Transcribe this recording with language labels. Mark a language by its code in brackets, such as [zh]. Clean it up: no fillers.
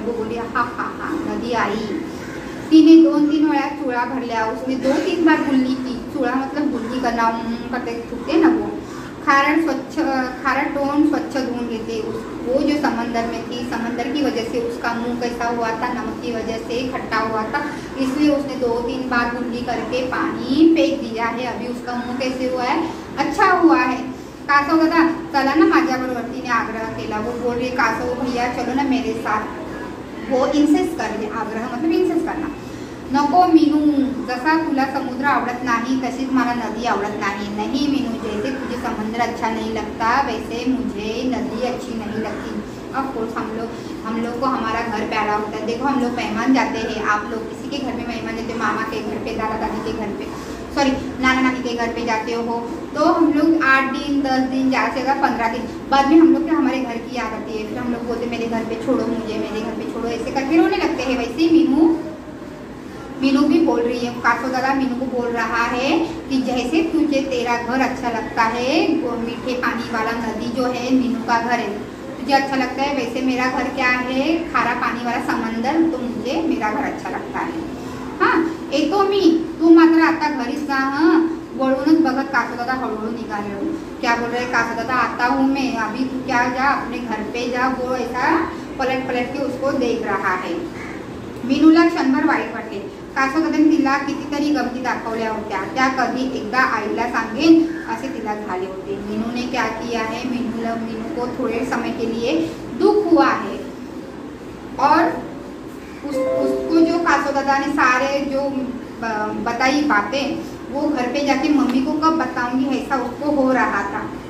[hi] वो बोली हाँ हाँ हाँ, नदी आई, [mr] तीने दोन तीन वेळा [hi] चूड़ा भर लिया, उसने दो तीन बार गुल्ली की, चूड़ा मतलब गुल्ली करना करते थूकते ना, वो खारा टोन स्वच्छ ढूंढ लेते। वो जो समंदर में थी, समंदर की वजह से उसका मुंह कैसा हुआ था, नमक की वजह से खट्टा हुआ था, इसलिए उसने दो तीन बार गुल्ली करके पानी फेंक दिया है। अभी उसका मुंह कैसे हुआ है, अच्छा हुआ है। [mr] कासव दादा चला ना माझ्या बरोबर, तीने आग्रह केला। [hi] वो बोल रही कासव भैया चलो ना मेरे साथ, वो इन्सिस्ट कर रहे, आग्रह मतलब इन्सिस्ट करना। [mr] नको मीनू, जसा तुला समुद्र आवडत नाही तशीच मला नदी आवडत नाही। [hi] नहीं मीनू, जैसे तुझे समुद्र अच्छा नहीं लगता वैसे मुझे नदी अच्छी नहीं लगती। ऑफकोर्स हम लोग को हमारा घर प्यारा होता है। देखो हम लोग मेहमान जाते हैं, आप लोग किसी के घर में मेहमान जाते हो, मामा के घर पे, दादा दादी के घर पे, सॉरी नाना नानी के घर पे जाते हो, तो हम लोग 8 दिन 10 दिन ज़्यादा से ज़्यादा 15 दिन बाद में हम लोग के हमारे घर की याद आती है। फिर हम लोग बोलते मेरे घर पे छोड़ो, मुझे मेरे घर पे छोड़ो, ऐसे करके रोने लगते हैं। वैसे ही मीनू भी बोल रही है, कासव दादा मीनू को बोल रहा है कि जैसे तुझे तेरा घर अच्छा लगता है, वो मीठे पानी वाला नदी जो है मीनू का घर है, तुझे अच्छा लगता है, वैसे मेरा घर क्या है, खारा पानी वाला समंदर, तो मुझे मेरा घर अच्छा लगता है। [mr] हाँ एतो मी, तू मात्र आता घरीच जा, हाँ बोलूनच बघत कासव दादा हळूहळू निघाले। [hi] क्या बोल रहे कासव दादा, आता हूँ मैं अभी, तू क्या जा अपने घर पे जा, वो ऐसा पलट पलट के उसको देख रहा है। [mr] मीनूला क्षणभर वाईट वाटले, कासव दादाने तिला कितीतरी गमती दाखवल्या होत्या, त्या कधी एकदा आईला सांगेन असे तिला झाले होते। [hi] मीनूने क्या किया है, मीनू को थोड़े समय के लिए दुख हुआ है, और उसको जो कासव दादा ने सारे जो बताई बातें, वो घर पे जाके मम्मी को कब बताऊंगी ऐसा उसको हो रहा था।